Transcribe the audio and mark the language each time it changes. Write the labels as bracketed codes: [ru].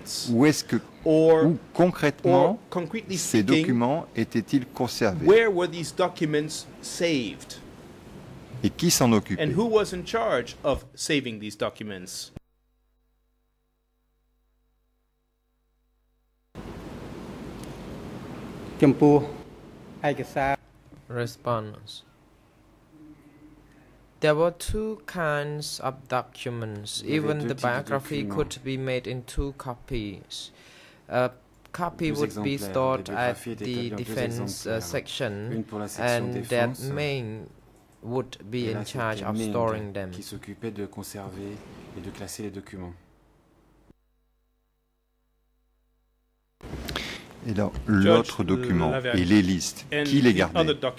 [fr] Ou est-ce que, ou concrètement, ces documents étaient-ils conservés? [en] Where were these documents saved? [fr] Et qui s'en occupait? [en] And who was in charge of saving these documents? Tempo. Response. There were two kinds of documents. Even the biography could be made in two copies. A copy would be stored at the defense section, and that main would be in charge of storing them. [fr] Qui s'occupait de conserver et de classer les documents. Et alors, l'autre document et les listes, qui les gardait?